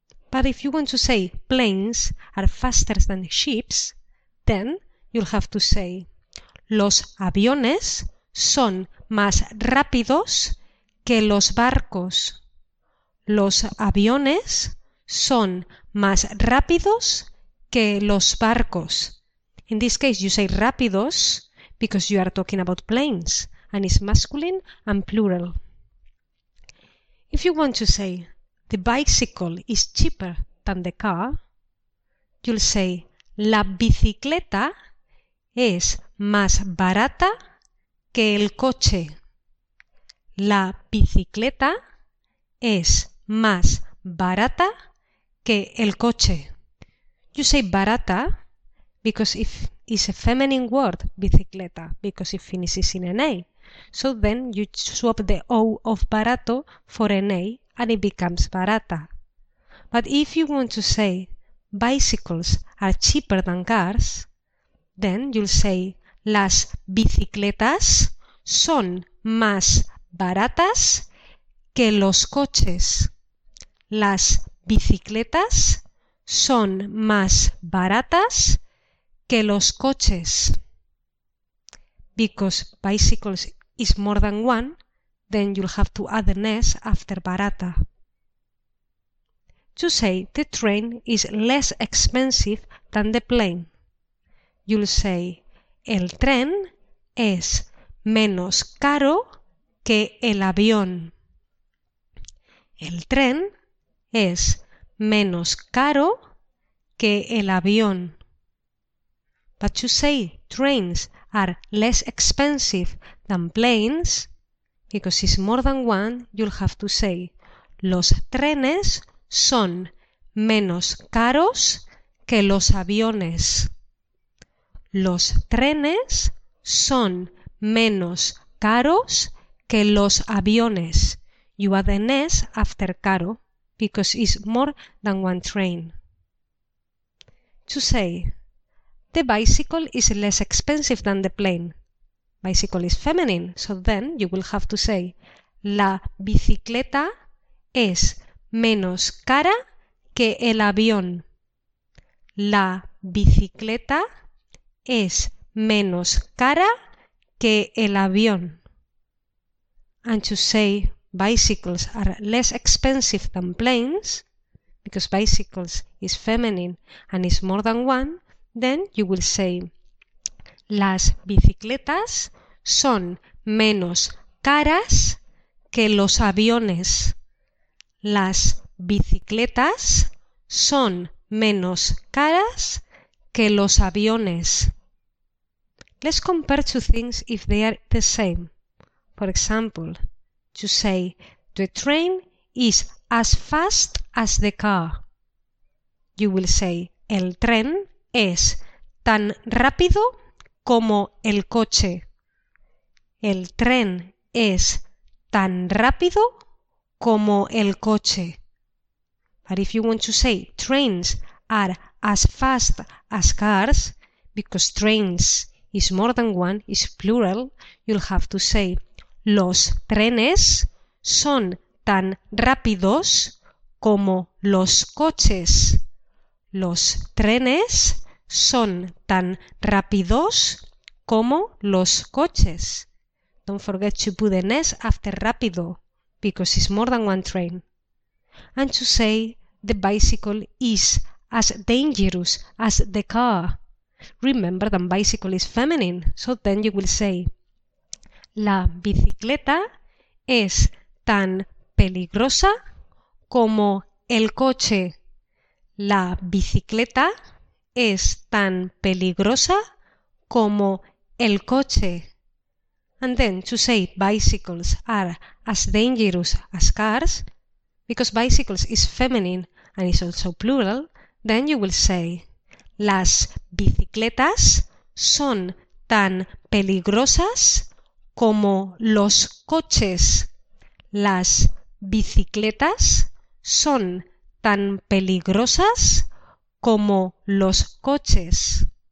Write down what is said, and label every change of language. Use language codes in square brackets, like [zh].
[en] But if you want to say planes are faster than ships, then you'll have to say [es] los aviones son más rápidos que los barcos. Los aviones son más rápidos que los barcos. [en] In this case, you say rápidos because you are talking about planes and it's masculine and plural. If you want to say the bicycle is cheaper than the car, you'll say [es] la bicicleta es más barata que el coche. La bicicleta es más barata que el coche. [en] You say barata because if it's a feminine word, bicicleta, because it finishes in an A. So then you swap the O of barato for an A and it becomes barata. But if you want to say bicycles are cheaper than cars, then you'll say [es] las bicicletas son más baratas que los coches. Las bicicletas son más baratas que los coches. [en] Because bicycles is more than one, then you'll have to add an S after barata. To say the train is less expensive than the plane, you'll say [es] el tren es menos caro que el avión. El tren es menos caro que el avión. [en] But you say trains are less expensive than planes, because it's more than one, you'll have to say [es] los trenes son menos caros que los aviones. Los trenes son menos caros que los aviones. [en] You add an S after caro because it's more than one train. To say the bicycle is less expensive than the plane. Bicycle is feminine, so then you will have to say [es] la bicicleta es menos cara que el avión. La bicicleta es menos cara que el avión. [en] And to say bicycles are less expensive than planes, because bicycles is feminine and is more than one, then you will say [es] las bicicletas son menos caras que los aviones. Las bicicletas son menos caras que los aviones. [en] Let's compare two things if they are the same. For example, to say the train is as fast as the car, you will say [es] el tren es tan rápido como el coche. El tren es tan rápido como el coche. [en] But if you want to say trains are as fast as cars, because trains is more than one, is plural, you'll have to say [es] los trenes son tan rápidos como los coches. Los trenes son tan rápidos como los coches. [en] Don't forget to put an S after rápido, because it's more than one train. And to say the bicycle is as dangerous as the car. Remember that bicycle is feminine, so then you will say [es] la bicicleta es tan peligrosa como el coche. La bicicleta es tan peligrosa como el coche. [en] And then to say bicycles are as dangerous as cars, because bicycles is feminine and is also plural, then you will say [es] las bicicletas son tan peligrosas como los coches. Las bicicletas son tan peligrosas como los coches.